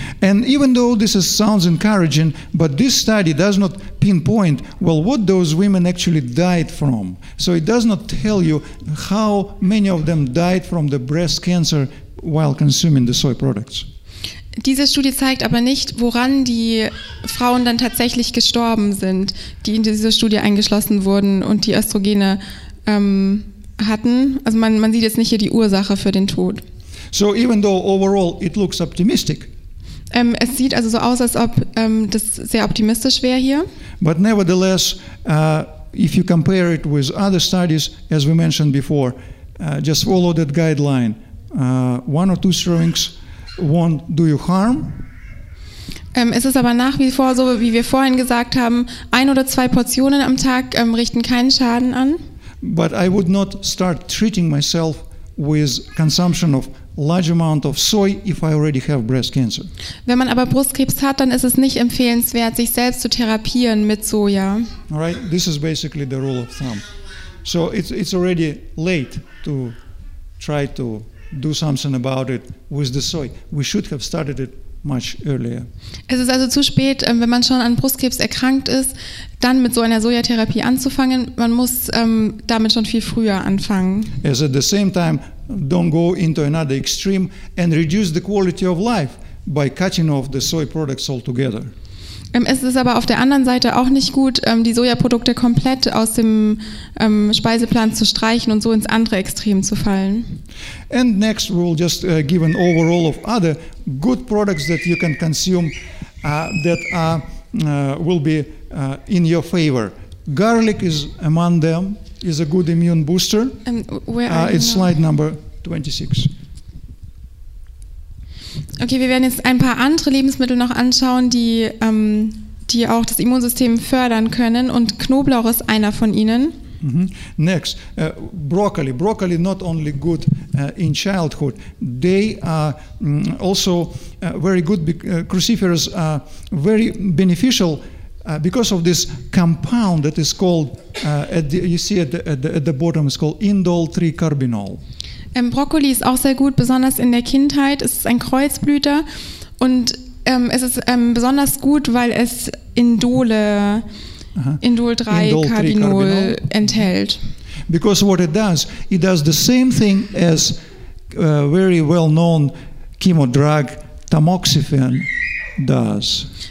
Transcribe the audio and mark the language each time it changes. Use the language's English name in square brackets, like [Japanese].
[English] And even though this is sounds encouraging, but this study does not pinpoint well what those women actually died from. So it does not tell you how many of them died from the breast cancer while consuming the soy products. [German] Diese Studie zeigt aber nicht, woran die Frauen dann tatsächlich gestorben sind, die in diese Studie eingeschlossen wurden und die Östrogene hatten. Also man sieht jetzt nicht hier die Ursache für den Tod. [English] So even though overall it looks optimistic, [German] es sieht also so aus, als ob das sehr optimistisch wäre hier. [English] But nevertheless, if you compare it with other studies, as we mentioned before, just follow that guideline. One or two servings won't do you harm. [German] Es ist aber nach wie vor so, wie wir vorhin gesagt haben, ein oder zwei Portionen am Tag richten keinen Schaden an. [English] But I would not start treating myself with consumption of large amount of soy if I already have breast cancer. [German] Wenn man aber Brustkrebs hat, dann ist es nicht empfehlenswert, sich selbst zu therapieren mit Soja. [English] All right, this is basically the rule of thumb. So it's already late to try to do something about it with the soy. We should have started it much earlier. [German] Es ist also zu spät, wenn man schon an Brustkrebs erkrankt ist, dann mit so einer Sojatherapie anzufangen. Man muss damit schon viel früher anfangen. [English] As at the same time, don't go into another extreme and reduce the quality of life by cutting off the soy products altogether. [German] Es ist aber auf der anderen Seite auch nicht gut, die Sojaprodukte komplett aus dem Speiseplan zu streichen und so ins andere Extrem zu fallen. [English] And next we'll just give an overall of other good products that you can consume that will be in your favor. Garlic is among them, is a good immune booster. It's slide number 26. [German] Okay, wir werden jetzt ein paar andere Lebensmittel noch anschauen, die auch das Immunsystem fördern können. Und Knoblauch ist einer von ihnen. [English] Mm-hmm. Next, Broccoli. Broccoli not only good in childhood, they are also very good, cruciferous, very beneficial because of this compound that is called, at the bottom, it's called indole-3-carbinol. [German] Brokkoli ist auch sehr gut, besonders in der Kindheit. Es ist ein Kreuzblüter und es ist besonders gut, weil es Indole-3-Carbinol enthält. [English] Because what it does the same thing as very well-known chemo drug tamoxifen does.